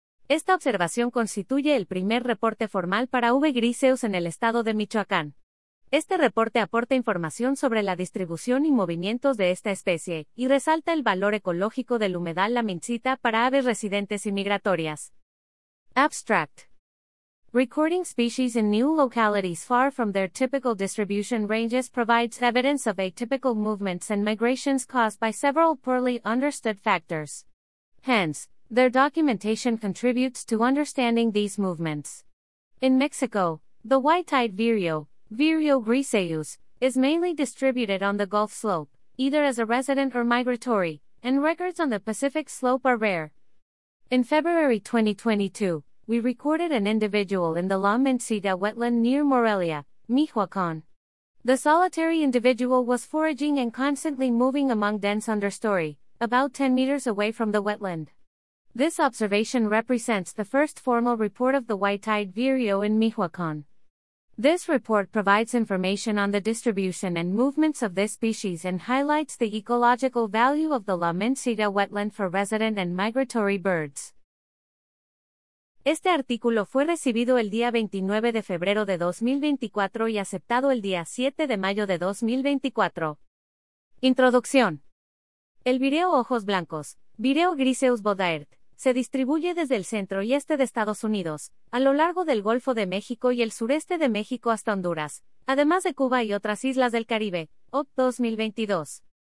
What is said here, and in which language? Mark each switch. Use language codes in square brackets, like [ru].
[es] Esta observación constituye el primer reporte formal para V. griseus en el estado de Michoacán. Este reporte aporta información sobre la distribución y movimientos de esta especie, y resalta el valor ecológico del humedal La Mincita para aves residentes y migratorias. [en] Abstract. Recording species in new localities far from their typical distribution ranges provides evidence of atypical movements and migrations caused by several poorly understood factors. Hence, their documentation contributes to understanding these movements. In Mexico, the white-eyed vireo, Vireo griseus, is mainly distributed on the Gulf slope, either as a resident or migratory, and records on the Pacific slope are rare. In February 2022, we recorded an individual in the La Mincita wetland near Morelia, Michoacán. The solitary individual was foraging and constantly moving among dense understory, about 10 meters away from the wetland. This observation represents the first formal report of the white-eyed vireo in Michoacán. This report provides information on the distribution and movements of this species and highlights the ecological value of the La Mincita wetland for resident and migratory birds. [es] Este artículo fue recibido el día 29 de febrero de 2024 y aceptado el día 7 de mayo de 2024. Introducción. El vireo ojos blancos, Vireo griseus bodaert, se distribuye desde el centro y este de Estados Unidos, a lo largo del Golfo de México y el sureste de México hasta Honduras, además de Cuba y otras islas del Caribe, OCP 2022.